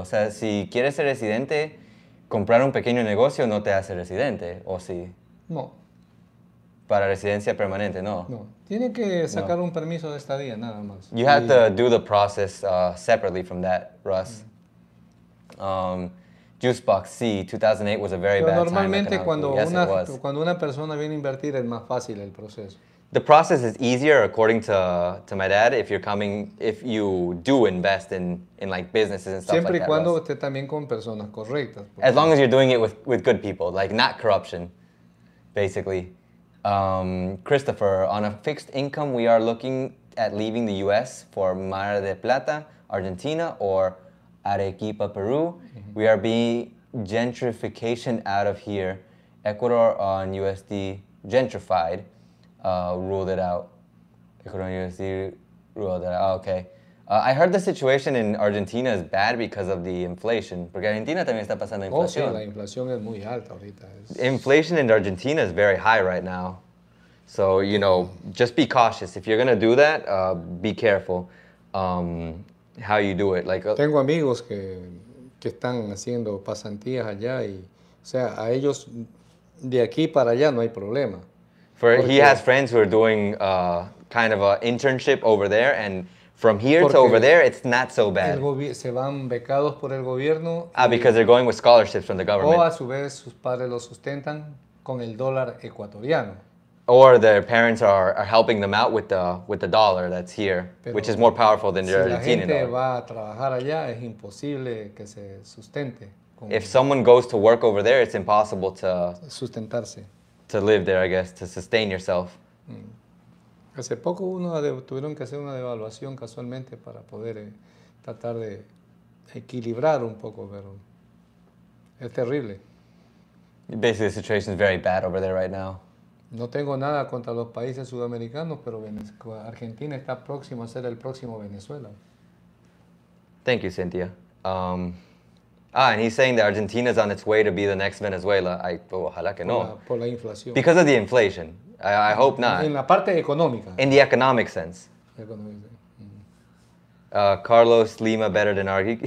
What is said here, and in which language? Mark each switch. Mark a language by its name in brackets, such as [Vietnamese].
[Spanish] O sea, si quieres ser residente, comprar un pequeño negocio no te hace residente, ¿o sí? No. Para residencia permanente, no. No. Tiene que sacar un permiso de estadía, nada más. [English] You have to do the process separately from that, Russ. Juicebox, sí, 2008 was a very bad time. [Spanish] Normalmente cuando una persona viene a invertir es más fácil el proceso. [English] The process is easier, according to my dad, if you do invest in like businesses and stuff [Spanish] siempre [English] like that. [Spanish] Siempre y cuando esté también con personas correctas. [English] As long as you're doing it with good people, like not corruption, basically. Christopher, on a fixed income, we are looking at leaving the U.S. for Mar del Plata, Argentina, or Arequipa, Peru. Mm-hmm. We are being gentrification out of here. Ecuador on USD, gentrified. Ruled it out. Ecuador USD ruled it out. Okay. I heard the situation in Argentina is bad because of the inflation. [Spanish] Porque Argentina también está pasando inflación. Oh, sí, la inflación es muy alta ahorita. [English] Inflation in Argentina is very high right now. So, you know, just be cautious. If you're going to do that, be careful how you do it. Like, [Spanish] tengo amigos que están haciendo pasantías allá y, o sea, a ellos de aquí para allá no hay problema. [English] He has friends who are doing kind of an internship over there, and from here to over there, it's not so bad. [Spanish] Se van becados por el gobierno. [English] Because they're going with scholarships from the government. [Spanish] O a su vez, sus padres los sustentan con el dólar ecuatoriano. [English] Or their parents are helping them out with the dollar that's here, pero which is more powerful than your Argentinian dollar. [Spanish] Si la gente va a trabajar allá, es imposible que se sustente. [English] If someone goes to work over there, it's impossible to [Spanish] sustentarse. [English] To live there, I guess, to sustain yourself. [Spanish] Hace poco uno tuvieron que hacer una devaluación casualmente para poder tratar de equilibrar un poco, pero es terrible. [English] Basically, the situation is very bad over there right now. [Spanish] No tengo nada contra los países sudamericanos, pero Argentina está próximo a ser el próximo Venezuela. [English] Thank you, Cynthia. And he's saying that Argentina is on its way to be the next Venezuela. [Spanish] Ojalá que no. Por la inflación. [English] Because of the inflation. I hope not. [Spanish] En la parte económica. [English] In the economic sense. Mm-hmm. Carlos Lima better than Argy.